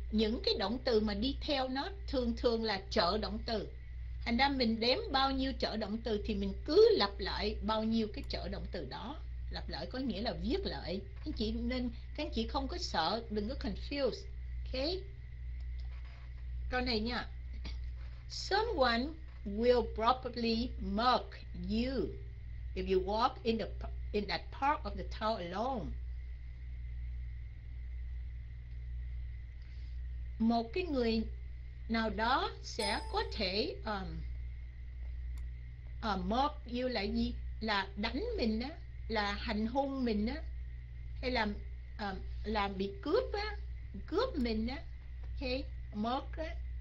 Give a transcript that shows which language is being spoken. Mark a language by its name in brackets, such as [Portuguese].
[Vietnamese] Những cái động từ mà đi theo nó thường thường là trợ động từ. Thành ra mình đếm bao nhiêu trợ động từ thì mình cứ lặp lại bao nhiêu cái trợ động từ đó. Lặp lại có nghĩa là viết lại. Các chị nên, các chị không có sợ, đừng có confuse. Okay. Câu này nha. [English] Someone will probably mock you if you walk in the in that part of the town alone. [Vietnamese] Một cái người nào đó sẽ có thể [English] mock you [Vietnamese] là gì? Là đánh mình á, là hành hung mình á, hay là bị cướp á, cướp mình á, okay, mock á.